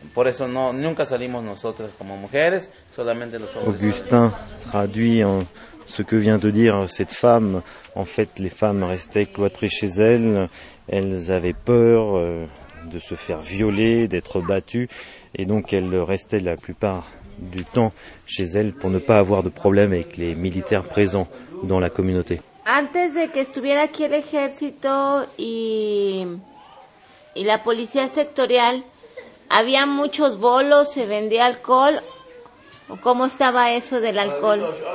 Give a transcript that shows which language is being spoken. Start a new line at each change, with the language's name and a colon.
Spanish: Por eso no, nunca salimos nosotras como mujeres, solamente los hombres.
French: Augustin traduit en ce que vient de dire cette femme. En fait, les femmes restaient cloîtrées chez elles. Elles avaient peur de se faire violer, d'être battue, et donc elle restait la plupart du temps chez elle pour ne pas avoir de problème avec les militaires présents dans la communauté.
Spanish: Antes de que estuviera aquí el ejército y la policía sectorial, había muchos bolos, se vendía alcohol. ¿Cómo estaba eso del alcohol?